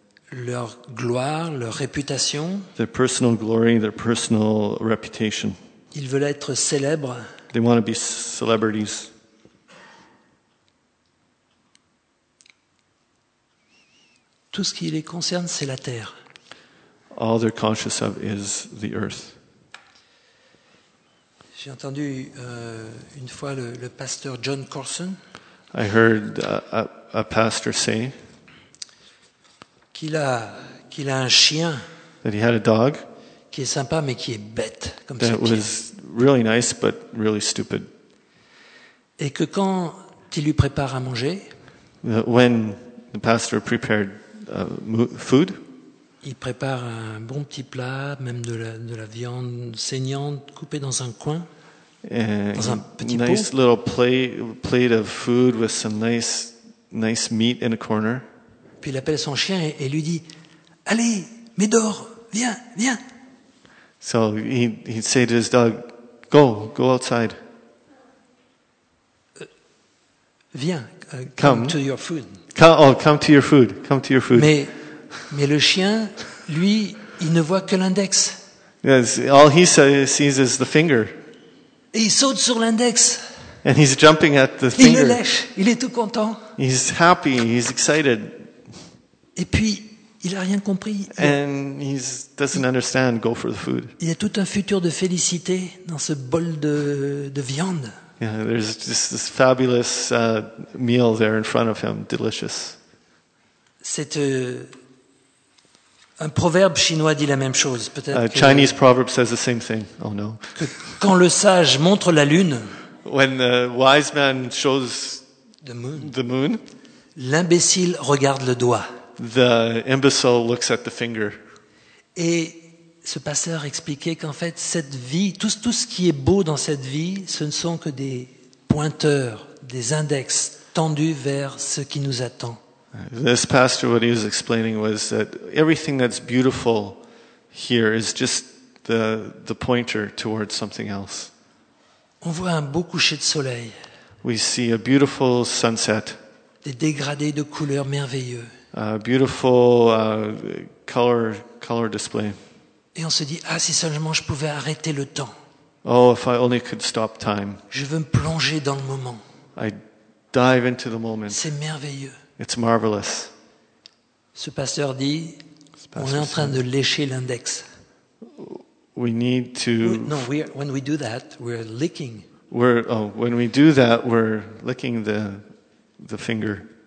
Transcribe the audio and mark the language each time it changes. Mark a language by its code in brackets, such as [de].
[fr] Leur gloire, leur réputation. [en] Their personal glory, their personal reputation. [fr] Ils veulent être célèbres. [en] They want to be celebrities. [fr] Tout ce qui les concerne, c'est la terre. [en] All they're conscious of is the earth. [fr] J'ai entendu une fois le pasteur John Corson. [en] I heard a pastor say [fr] qu'il a un chien. [en] That he had a dog. [fr] Qui est sympa mais qui est bête comme ça. [en] That was really nice but really stupid. [fr] Et que quand il lui prépare à manger. [en] When the pastor prepared food. [fr] Il prépare un bon petit plat, même de la viande saignante coupée dans un coin, dans un petit pot. [en] Nice little plate of food with some nice meat in a corner. [fr] Puis il appelle son chien et lui dit, allez, Médor, viens. [en] So he'd say to his dog, go outside. [fr] Viens, [en] come to your food. Come to your food. Come to your food. [fr] Mais le chien, lui, il ne voit que l'index. [en] Yes, all he sees is the finger. [fr] Et il saute sur l'index. [en] And he's jumping at the finger. [fr] Il le lèche. Il est tout content. [en] He's happy. He's excited. [fr] Et puis, il a rien compris. [en] And he doesn't understand. Go for the food. [fr] Il y a tout un futur de félicité dans ce bol de viande. [en] Yeah, there's just this fabulous meal there in front of him, delicious. [fr] C'est un proverbe chinois dit la même chose, peut-être. [en] Chinese proverb says the same thing. Oh no. [fr] Quand le sage montre la lune. [en] When the wise man shows the moon. [fr] L'imbécile regarde le doigt. [en] The imbecile looks at the finger. [fr] Et ce pasteur expliquait qu'en fait, cette vie, tout ce qui est beau dans cette vie, ce ne sont que des pointeurs, des index tendus vers ce qui nous attend. [en] This pastor, what he was explaining was that everything that's beautiful here is just the pointer towards something else. [fr] On voit un beau coucher de soleil. [en] We see a beautiful sunset. [fr] Des dégradés de couleurs merveilleux. [en] A beautiful color display. [fr] Et on se dit, ah, si seulement je pouvais arrêter le temps. [en] Oh, if I only could stop time. [fr] Je veux me plonger dans le moment. [en] I dive into the moment. [fr] C'est merveilleux. [en] It's marvelous. [fr] Ce pasteur dit, on est en train de lécher l'index. [en] We need to. When we do that, we're licking. When we do that, we're licking the finger.